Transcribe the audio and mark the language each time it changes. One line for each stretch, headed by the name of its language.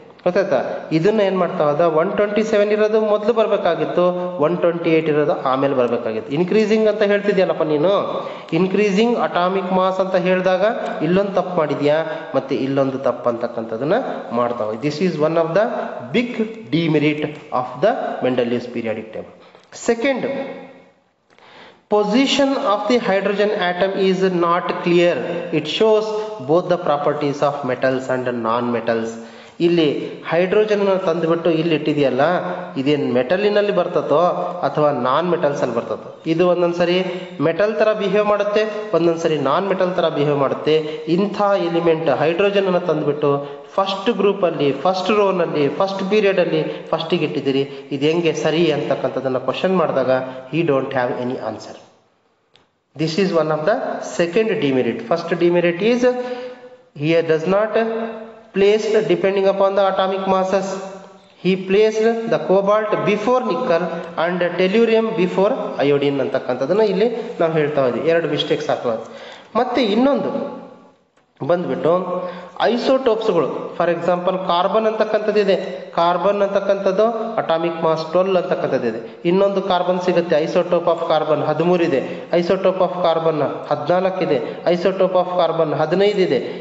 Kannada: ಗೊತ್ತಾಯ್ತಾ, ಇದನ್ನು ಏನು ಮಾಡ್ತಾ ಹೋದ, 127 ಇರೋದು ಮೊದಲು ಬರಬೇಕಾಗಿತ್ತು, 128 ಇರೋದು ಆಮೇಲೆ ಬರಬೇಕಾಗಿತ್ತು. ಇನ್ಕ್ರೀಸಿಂಗ್ ಅಂತ ಹೇಳ್ತಿದ್ಯಲ್ಲಪ್ಪ ನೀನು, ಇನ್ಕ್ರೀಸಿಂಗ್ ಅಟಾಮಿಕ್ ಮಾಸ್ ಅಂತ ಹೇಳಿದಾಗ ಇಲ್ಲೊಂದು ತಪ್ಪು ಮಾಡಿದ್ಯಾ, ಮತ್ತು ಇಲ್ಲೊಂದು ತಪ್ಪು ಅಂತಕ್ಕಂಥದ್ದನ್ನು ಮಾಡ್ತಾ ಹೋಗಿ.
English: This is one of the big demerit of the Mendeleev's periodic table. Second, position of the hydrogen atom is not clear, it shows both the properties of metals and non metals.
Kannada: ಇಲ್ಲಿ ಹೈಡ್ರೋಜನ್ ಅನ್ನು ತಂದುಬಿಟ್ಟು ಇಲ್ಲಿ ಇಟ್ಟಿದೆಯಲ್ಲ, ಇದೇನು ಮೆಟಲಿನಲ್ಲಿ ಬರ್ತದೋ ಅಥವಾ non metals ಅಲ್ಲಿ ಬರ್ತದೋ, ಇದು ಒಂದೊಂದ್ಸರಿ ಮೆಟಲ್ ತರ ಬಿಹೇವ್ ಮಾಡುತ್ತೆ, ಒಂದೊಂದ್ಸರಿ ನಾನ್ ಮೆಟಲ್ ತರ ಬಿಹೇವ್ ಮಾಡುತ್ತೆ. ಇಂಥ ಎಲಿಮೆಂಟ್ ಹೈಡ್ರೋಜನ್ ಅನ್ನು ತಂದುಬಿಟ್ಟು ಫಸ್ಟ್ ಗ್ರೂಪ್ ಅಲ್ಲಿ, ಫಸ್ಟ್ ರೋನಲ್ಲಿ, ಫಸ್ಟ್ ಪೀರಿಯಡ್ ಅಲ್ಲಿ ಫಸ್ಟ್ಗೆ ಇಟ್ಟಿದ್ದೀರಿ, ಇದು ಹೆಂಗೆ ಸರಿ ಅಂತಕ್ಕಂಥದ್ದನ್ನು ಕ್ವಶನ್ ಮಾಡಿದಾಗ
English: He don't have any answer. This is one of the second demerit. First demerit is here does not placed depending upon the atomic masses. He placed the cobalt before nickel and tellurium before iodine
Kannada: ಅಂತಕ್ಕಂಥದ್ದನ್ನು ಇಲ್ಲಿ ನಾವು ಹೇಳ್ತಾ ಇದ್ದೀವಿ. ಎರಡು mistakes ಆಗ್ತವೆ. ಮತ್ತು ಇನ್ನೊಂದು ಬಂದುಬಿಟ್ಟು ಐಸೋಟೋಪ್ಸ್ಗಳು, ಫಾರ್ ಎಕ್ಸಾಂಪಲ್ ಕಾರ್ಬನ್ ಅಂತಕ್ಕಂಥದ್ದು ಇದೆ, ಕಾರ್ಬನ್ ಅಂತಕ್ಕಂಥದ್ದು ಅಟಾಮಿಕ್ ಮಾಸ್ 12 ಅಂತಕ್ಕಂಥದ್ದು ಇದೆ, ಇನ್ನೊಂದು ಕಾರ್ಬನ್ ಸಿಗುತ್ತೆ ಐಸೋಟೋಪ್ ಆಫ್ ಕಾರ್ಬನ್ 13 ಇದೆ, ಐಸೋಟೋಪ್ ಆಫ್ ಕಾರ್ಬನ್ 14 ಇದೆ, ಐಸೋಟೋಪ್ ಆಫ್ ಕಾರ್ಬನ್ 15 ಇದೆ.